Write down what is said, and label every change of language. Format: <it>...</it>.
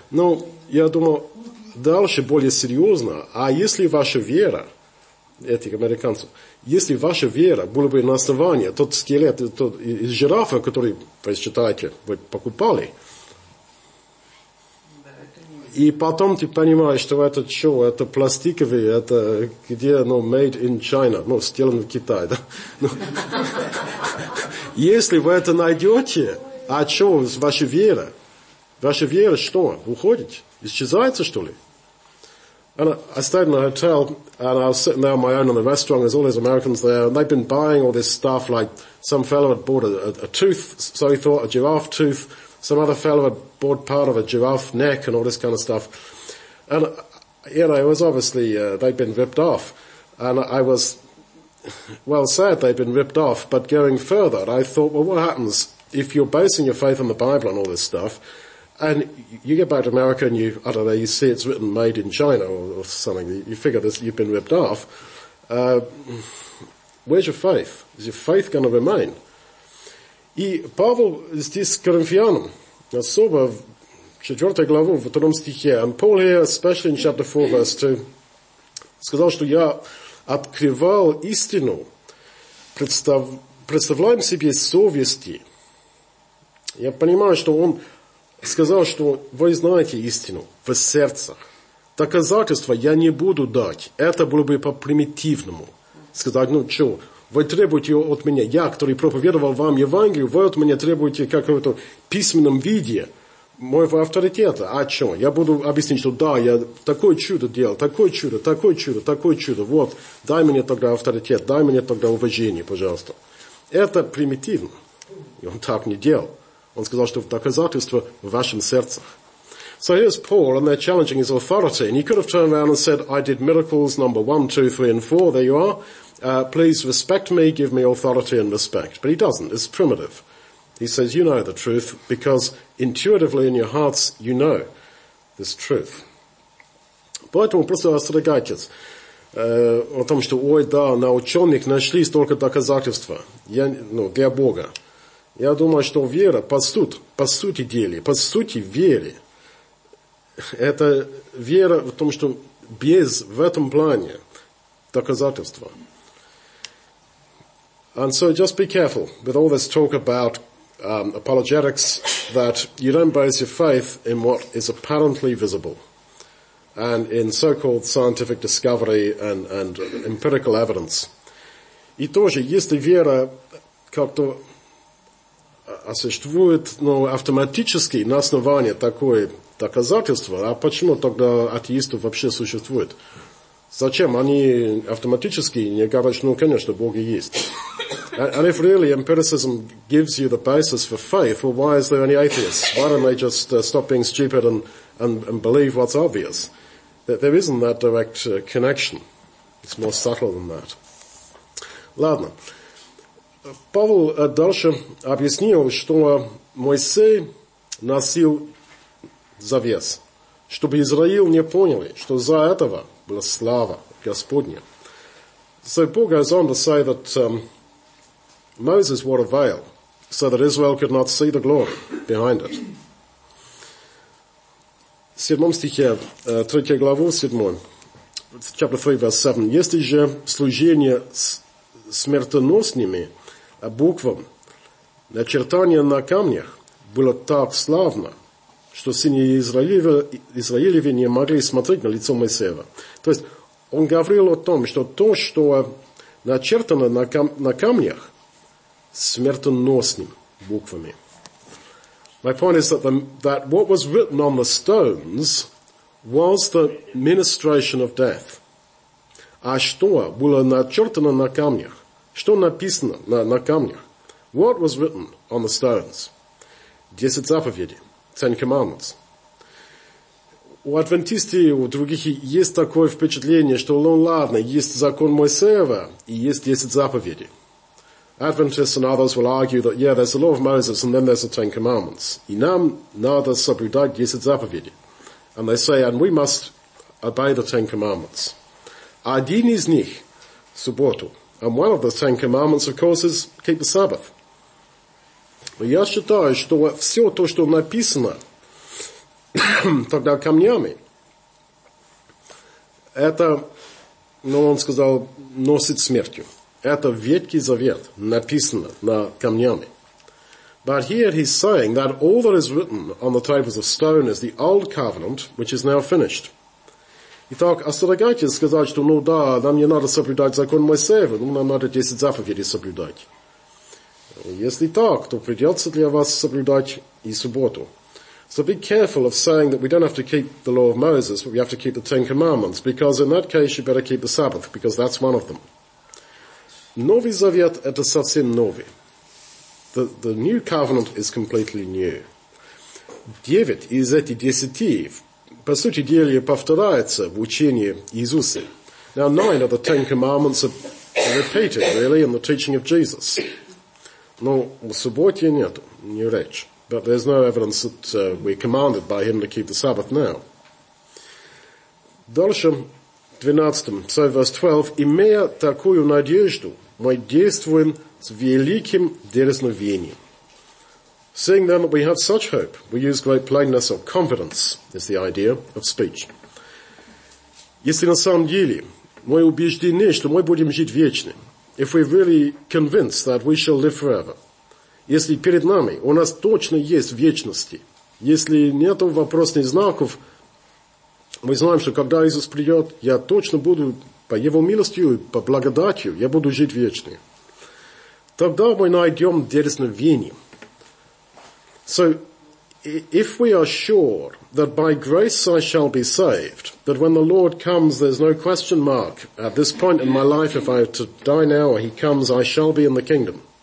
<ru>Но я думал, дальше более серьезно, а если ваша вера, этих американцев, если ваша вера была бы на основании, тот скелет, тот из жирафа, который, вы считаете, вы покупали, и потом ты понимаешь, что это что, это пластиковый, это где, ну,</ru> <en>made in China,</en> <ru>ну, сделан в Китае, да? Если вы это найдете, а что, ваша вера что, уходит, исчезается, что ли?</ru> <en>And I stayed in a hotel, and I was sitting there on my own in the restaurant, there's all these Americans there, and they've been buying all this stuff, like some fellow had bought a tooth, so he thought a giraffe tooth. Some other fellow had bought part of a giraffe neck and all this kind of stuff. And, you know, it was obviously, they'd been ripped off. And I was, well, sad they'd been ripped off, but going further, I thought, well, what happens if you're basing your faith on the Bible and all this stuff, and you get back to America and you, I don't know, you see it's written made in China or something, you figure this, you've been ripped off. Where's your faith? Is your faith going to remain?</en> <ru>И Павел здесь к Коринфянам, особо в 4 главу, в 2 стихе.</ru> <en>And Paul here, especially in chapter 4, verse 2,</en> <ru>сказал, что я открывал истину, представляем себе совести. Я понимаю, что он сказал, что вы знаете истину в сердцах. Доказательства я не буду дать. Это было бы по-примитивному. Сказать, ну что, вы требуете от меня, я, который проповедовал вам Евангелие, вы от меня требуете какого-то письменном виде моего авторитета. А что? Я буду объяснить, что да, я такое чудо делал, такое чудо, такое чудо, такое чудо. Вот, дай мне тогда авторитет, дай мне тогда уважение, пожалуйста. Это примитивно. И он так не делал. Он сказал, что доказательство в вашем сердце.</ru> <en>So here's Paul, and they're challenging his authority. And he could have turned around and said, I did miracles number 1, 2, 3, and 4, there you are. Please respect me, give me authority and respect. But he doesn't, it's primitive. He says, you know the truth, because intuitively in your hearts you know this truth.</en> <ru>Поэтому просто остерегайтесь о том, что ой, да, на ученых нашли столько доказательства для Бога. Я думаю, что вера по сути веры, это вера в том, что без в этом плане доказательства.</ru> <en>And so just be careful with all this talk about apologetics that you don't base your faith in what is apparently visible and in so-called scientific discovery and empirical evidence.</en> <ru>И тоже, если вера как-то осуществует, ну, автоматически на основании такое доказательство, а почему тогда атеистов вообще существует? Зачем? Они автоматически не говорят, ну, конечно, Бог и есть.</ru> <en>And if really empiricism gives you the basis for faith, well, why is there any atheists? Why don't they just stop being stupid and believe what's obvious? That there isn't that direct connection. It's more subtle than that.</en> <ru>Ладно. Павел дальше объяснил, что Моисей носил завес, чтобы Израиль не поняли, что за этого была слава Господня.</ru> <en>So Paul goes on to say that Moses wore a veil so that Israel could not see the glory behind it.</en> <ru>В 7 стихе, 3 главу, 7,</ru> <en>chapter 3, verse 7.</en> <ru>Если же служение смертоносными буквам, начертание на камнях было так славно, что сыне Израилеве не могли смотреть на лицо Моисеева. То есть он говорил о том, что то, что начертано на камнях смертоносными буквами.</ru> <en>My point is that that what was written on the stones was the ministration of death.</en> <ru>А что было начертано на камнях? Что написано на камнях?</ru> <en>What was written on the stones?</en> <ru>10 заповедей.</ru> <en>Ten Commandments.</en> <ru>У адвентистов, у других есть такое впечатление, что, ну ладно, есть закон Моисеева и есть 10 заповедей.</ru> <en>Adventists and others will argue that, yeah, there's the law of Moses and then there's the Ten Commandments.</en> <ru>И нам надо соблюдать 10 заповедей.</ru> <en>And they say, and we must obey the Ten Commandments.</en> <ru>Один из них – субботу.</ru> <en>And one of the Ten Commandments, of course, is keep the Sabbath.</en> <ru>Но я считаю, что все то, что написано тогда камнями, это, ну, он сказал, носит смертью. Это Ветхий Завет, написано на камнями.</ru> <en>But here he's saying that all that is written on the tables of stone is the old covenant, which is now finished.</en> <ru>Итак, остерегайте сказать, что, ну да, нам не надо соблюдать закон Моисеева, ну, нам надо 10 заповедей соблюдать. Если так, то придется для вас соблюдать и субботу.</ru> <en>So be careful of saying that we don't have to keep the law of Moses, but we have to keep the Ten Commandments, because in that case you better keep the Sabbath, because that's one of them.</en> <ru>Новый Завет – это совсем новый.</ru> <en>The new covenant is completely new.</en> <ru>9 из этих 10, по сути дела, повторяется в учении Иисуса.</ru> <en>Now 9 of the Ten Commandments are repeated, really, in the teaching of Jesus.</en> <ru>Но в субботе нет, не речь.</ru> <en>But there's no evidence that we're commanded by him to keep the Sabbath now.</en> <ru>Дальше, 12,</ru> <en>so verse 12.</en> <ru>«Имея такую надежду, мы действуем с великим дерзновением».</ru> <en>Seeing then that we have such hope, we use great plainness of confidence, is the idea of speech.</en> <ru>Если на самом деле мы убеждены, что мы будем жить вечно,</ru> <en>if we're really convinced that we shall live forever,</en> <ru>если перед нами у нас точно есть вечности, если нет вопросных знаков, мы знаем, что когда Иисус придет, я точно буду по Его милостью, по благодатью, я буду жить вечно. Тогда мы найдем дерзновение.</ru> <en>So, if we are sure that by grace I shall be saved, that when the Lord comes, there's no question mark at this point in my life, if I have to die now or he comes, I shall be in the kingdom.</en>